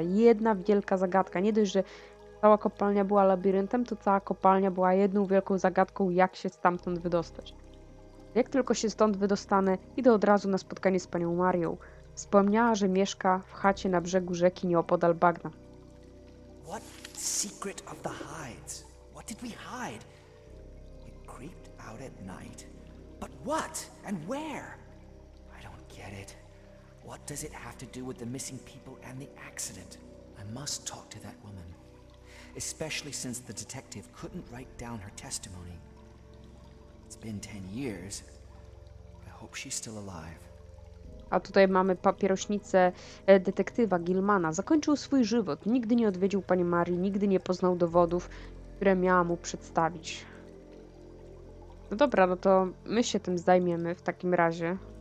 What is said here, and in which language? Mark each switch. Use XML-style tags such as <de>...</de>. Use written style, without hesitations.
<pl>Jedna wielka zagadka. Nie dość, że cała kopalnia była labiryntem, to cała kopalnia była jedną wielką zagadką, jak się stamtąd wydostać. Jak tylko się stąd wydostanę, idę od razu na spotkanie z panią Marią. Wspomniała, że mieszka w chacie na brzegu rzeki nieopodal bagna.</pl> <en>What secret of the hides? What did we hide? It creeped out at night. But what? And where? I don't get it. What does it have to do with the missing people and the accident? I must talk to that woman. Especially since the detective couldn't write down her testimony. It's been 10 years. I hope she's still alive.</en> <pl>A tutaj mamy papierośnicę detektywa Gilmana. Zakończył swój żywot. Nigdy nie odwiedził pani Marii, nigdy nie poznał dowodów, które miała mu przedstawić. No dobra, no to my się tym zajmiemy w takim razie.</pl>